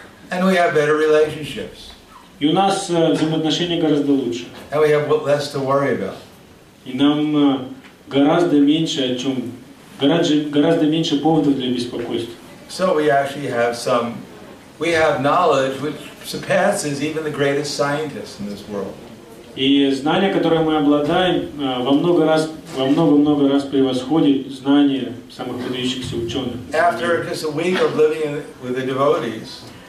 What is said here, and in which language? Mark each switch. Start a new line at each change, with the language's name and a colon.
English: And we have better relationships.
Russian: И у нас взаимоотношения гораздо лучше.
English: And we have less to worry about.
Russian: И нам гораздо меньше о чем, гораздо меньше поводов для беспокойства.
English: So we actually have some, we have knowledge which surpasses even the greatest scientists in this world.
Russian: И знания, которые мы обладаем, во много раз превосходит знания самых выдающихся ученых.
English: After just a week of living with the devotees,